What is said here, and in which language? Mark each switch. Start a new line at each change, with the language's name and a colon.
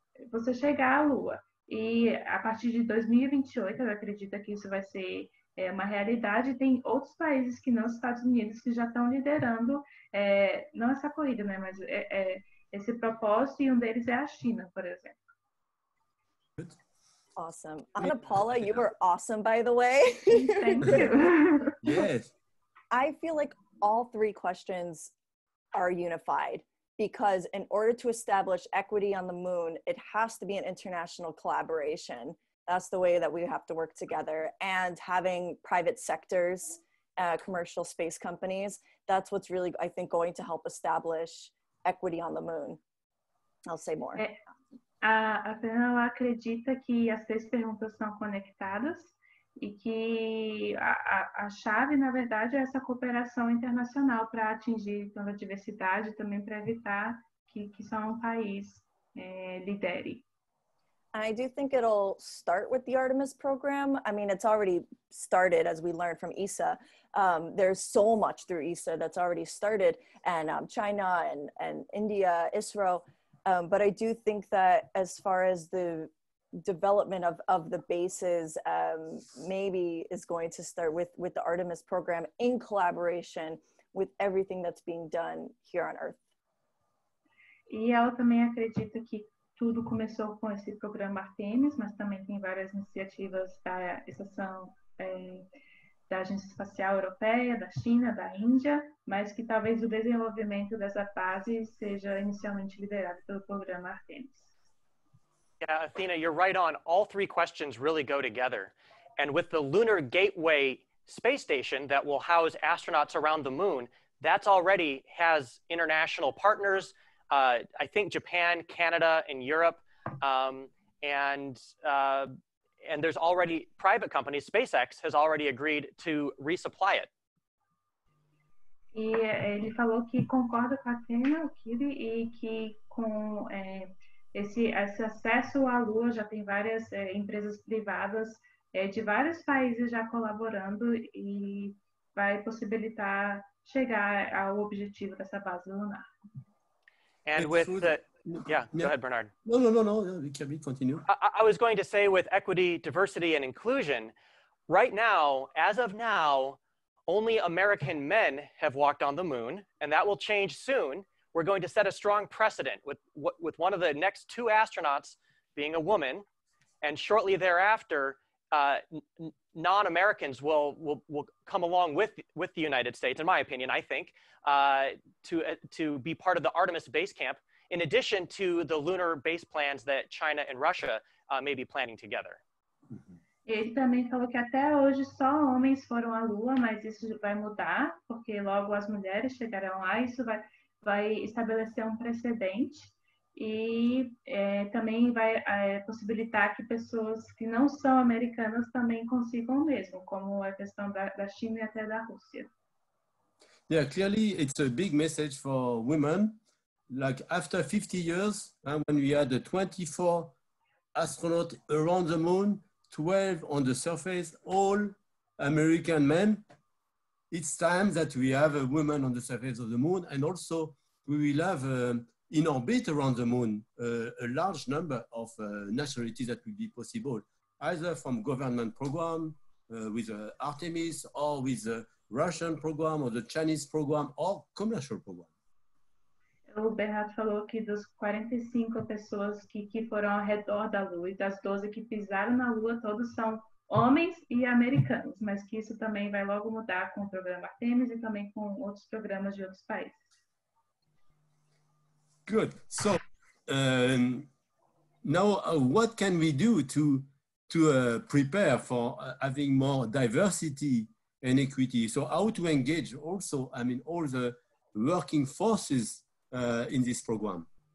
Portuguese: você chegar à Lua. E a partir de 2028, ela acredita que isso vai ser uma realidade. Tem outros países que não os Estados Unidos que já estão liderando, não essa corrida, né, mas esse propósito, e um deles é a China, por exemplo.
English: Awesome. Ana Paula, you were awesome, by the way. Thank you. Yes. I feel like all three questions are unified. Because in order to establish equity on the moon, it has to be an international collaboration. That's the way that we have to work together. And having private sectors, commercial space companies, that's what's really, I think, going to help establish equity on the moon. I'll say more.
Portuguese: A Athena acredita que as três perguntas são conectadas. E que a chave, na verdade, é essa cooperação internacional para atingir toda a diversidade e também para evitar que só um país lidere.
English: I do think it'll start with the Artemis program. I mean, it's already started, as we learned from ESA. There's so much through ESA that's already started, and China and India, Israel. But I do think that as far as the development of the bases, maybe is going to start with the Artemis program in collaboration with everything that's being done here on Earth.
Portuguese: Eu também acredito que tudo começou com esse programa Artemis, mas também tem várias iniciativas da estação da Agência Espacial Europeia, da China, da Índia, mas que talvez o desenvolvimento dessa fase seja inicialmente liderado pelo programa Artemis.
English: Yeah, Athena, you're right on. All three questions really go together. And with the Lunar Gateway space station that will house astronauts around the moon, that's already has international partners. I think Japan, Canada, and Europe, and there's already private companies. SpaceX has already agreed to resupply it.
Portuguese: E ele falou que concorda com a Athena, o Kirby, e que com esse acesso à Lua já tem várias empresas privadas de vários países já colaborando e vai possibilitar chegar ao objetivo dessa base lunar.
English: And with go ahead, Bernard. No, we continue. I was going to say with equity, diversity, and inclusion, right now, as of now, only American men have walked on the moon, and that will change soon. We're going to set a strong precedent with one of the next two astronauts being a woman, and shortly thereafter, non-Americans will come along with the United States, in my opinion, I think, to be part of the Artemis base camp, in addition to the lunar base plans that China and Russia may be planning together.
Portuguese: Ele também falou que até hoje só homens foram à Lua, mas isso vai mudar, porque logo as mulheres chegarão lá, isso vai estabelecer um precedente. E também vai possibilitar que pessoas que não são americanas também consigam o mesmo, como a questão da China e até da Rússia.
English: Yeah, clearly it's a big message for women. Like after 50 years, when we had 24 astronauts around the moon, 12 on the surface, all American men, it's time that we have a woman on the surface of the moon, and also we will have in orbit around the moon, a large number of nationalities that will be possible, either from government program with Artemis or with the Russian program or the Chinese program or commercial program.
Portuguese: O Bernard falou que dos 45 pessoas que foram ao redor da Lua e das 12 que pisaram na Lua, todos são homens e americanos, mas que isso também vai logo mudar com o programa Artemis e também com outros programas de outros países.
English: Good. So now, what can we do to prepare for having more diversity and equity? So how to engage also, I mean, all the working forces in this program?